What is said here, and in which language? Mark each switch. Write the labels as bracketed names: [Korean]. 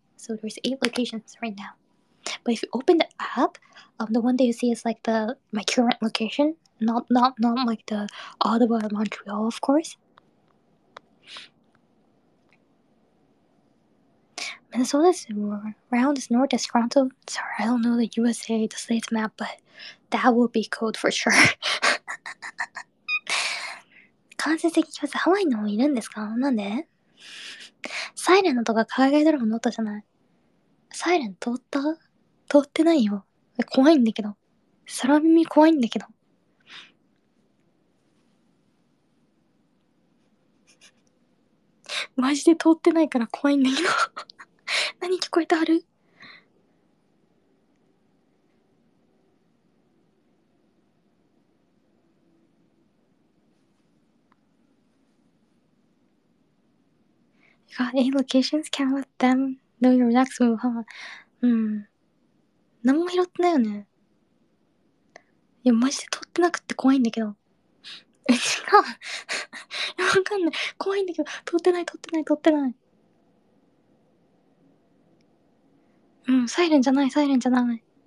[English] So there's 8 locations right now. But if you open the app, the one that you see is like the my current location, not like the Ottawa and Montreal, of course. Minnesota's around as north as Toronto. Sorry, I don't know the USA, the states map, but that will be code for sure. [Japanese] 間接的に聞きます。ハワイのいるんですか？なんで？サイレンとか海外ドラマの音じゃない？サイレン通った？通ってないよ。怖いんだけど。空耳怖いんだけど。マジで通ってないから怖いんだけど。何聞こえてはる？ [English] Got eight locations? Can't let them know your next move, huh? [Japanese] うん。何も拾ってないよね。いや、マジで撮ってなくて怖いんだけど。え、違う。わかんない。怖いんだけど、撮ってない、撮ってない、撮ってない。うん、サイレンじゃない、サイレンじゃない。